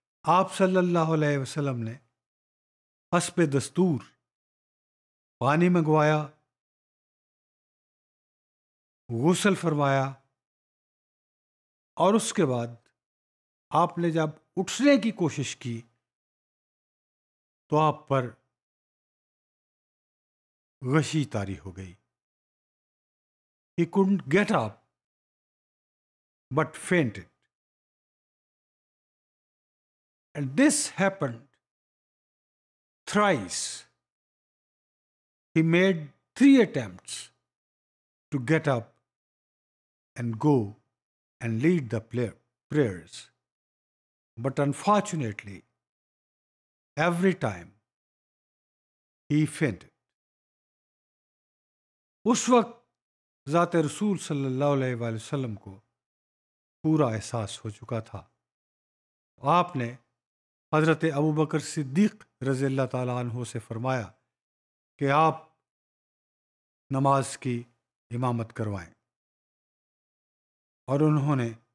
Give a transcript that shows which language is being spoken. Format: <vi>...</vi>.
<ur>آپ صلی اللہ علیہ وسلم نے حسب دستور پانی منگوایا, غسل فرمایا, اور اس کے بعد آپ نے جب اٹھنے کی کوشش کی تو آپ پر غشی طاری ہو گئی.</ur> <en>He couldn't get up but fainted. And this happened thrice. He made three attempts to get up and go and lead the prayers. But unfortunately, every time he fainted.</en> <ur>اس وقت ذات رسول صلی اللہ علیہ وآلہ وسلم کو پورا احساس ہو چکا تھا. آپ نے حضرت ابو بکر صدیق رضی اللہ تعالیٰ عنہ سے فرمایا کہ آپ نماز کی امامت کروائیں, اور انہوں نے</ur>